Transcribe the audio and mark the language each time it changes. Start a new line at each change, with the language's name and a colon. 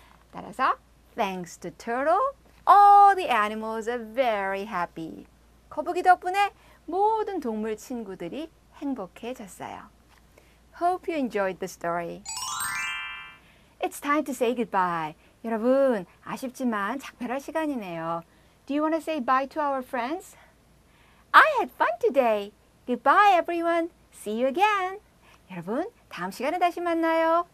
Korean: 따라서
English: Thanks to Turtle, all the animals are very happy.
Korean: 거북이 덕분에 모든 동물 친구들이 행복해졌어요.
English: Hope you enjoyed the story. It's time to say goodbye.
Korean: 여러분, 아쉽지만 작별할 시간이네요.
English: Do you want to say bye to our friends? I had fun today. Goodbye, everyone. See you again.
Korean: 여러분, 다음 시간에 다시 만나요.